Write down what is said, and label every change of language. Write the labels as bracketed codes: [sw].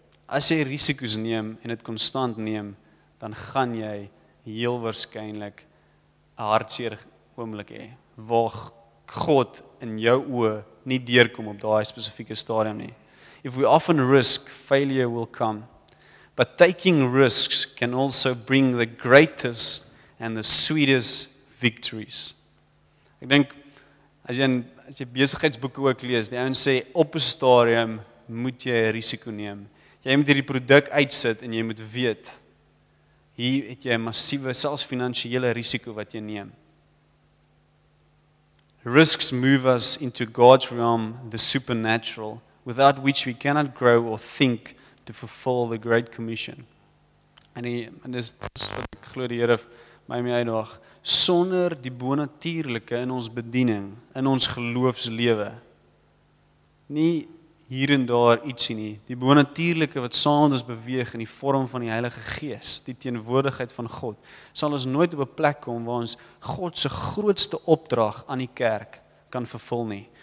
[af] As jy risiko's neem en het constant neem, dan gaan jy heel waarskynlik 'n hartseer oomblik hê, waar God in jou oë nie deurkom op daai spesifieke stadium nie. [en] If we often risk, failure will come. But taking risks can also bring the greatest and the sweetest victories. [af] Ek dink, as jy besigheidsboeke ook lees, die ouens sê, op 'n stadium moet jy 'n risiko neem. Jy moet hierdie produk uitsit en jy moet weet, hier het jy 'n massiewe, selfs finansiële risiko wat jy neem. [en] Risks move us into God's realm, the supernatural, without which we cannot grow or think to fulfill the Great Commission. [af] En dis wat ek glo die Here my mee uitdaag. Sonder die bonatuurlike in ons bediening, in ons geloofslewe, nie hier en daar ietsie nie, die bonatuurlike wat saam met ons beweeg in die vorm van die Heilige Gees, die teenwoordigheid van God, sal ons nooit op 'n plek kom waar ons God se grootste opdrag aan die kerk kan vervul nie.